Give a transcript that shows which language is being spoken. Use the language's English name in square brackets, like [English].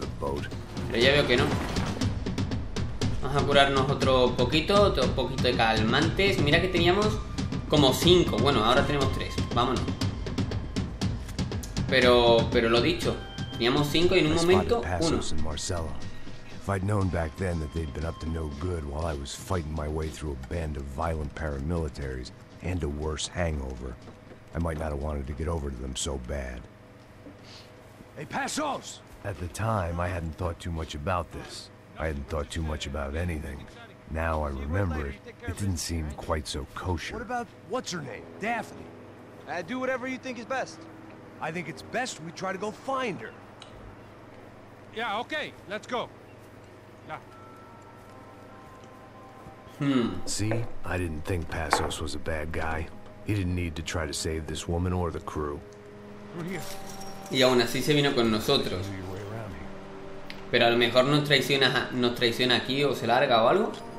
[Spanish] Pero ya veo que no. Vamos a curarnos otro poquito de calmantes. Mira que teníamos como 5. Bueno, ahora tenemos 3. Vámonos. Pero lo dicho, teníamos 5 y en un momento 1. [English] If I'd known back then that they'd been up to no good while I was fighting my way through a band of violent paramilitaries and a worse hangover, I might not have wanted to get over to them so bad. Hey, Passos. At the time, I hadn't thought too much about this. I hadn't thought too much about anything. Now I remember it, it didn't seem quite so kosher. What about, what's her name? Daphne. Do whatever you think is best. I think it's best we try to go find her. Yeah, okay, let's go. Yeah. See, I didn't think Passos was a bad guy. He didn't need to try to save this woman or the crew. [Spanish] Y aún así se vino con nosotros. Pero a lo mejor nos traiciona aquí o se larga o algo.